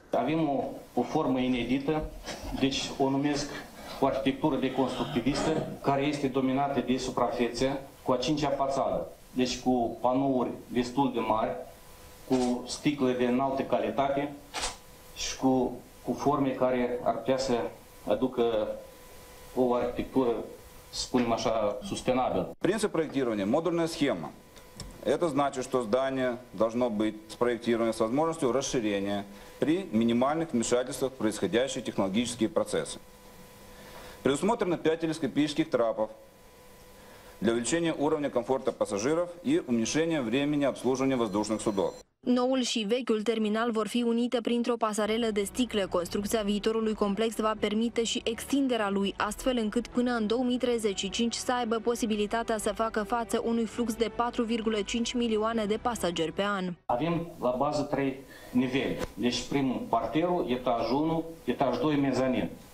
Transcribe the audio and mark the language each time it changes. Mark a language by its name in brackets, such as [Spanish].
[Romanian] Avem o formă inedită, deci o numesc o arhitectură de constructivistă care este dominată de suprafețe cu a cincea fațadă, deci cu panouri destul de mari, cu sticle de înaltă calitate și cu forme care ar putea să aducă o arhitectură, spunem așa, sustenabilă. [Russian] Принцип проектирования – модульная схема. Это значит, что здание должно быть спроектировано с возможностью расширения при минимальных вмешательствах в происходящие технологические процессы. Предусмотрено 5 телескопических трапов для увеличения уровня комфорта пассажиров и уменьшения времени обслуживания воздушных судов. [Romanian] Noul și vechiul terminal vor fi unite printr-o pasarelă de sticlă. Construcția viitorului complex va permite și extinderea lui, astfel încât până în 2035 să aibă posibilitatea să facă față unui flux de 4,5 milioane de pasageri pe an. Avem la bază 3 nivele. Deci primul parterul, etajul 1, etajul 2, mezanin.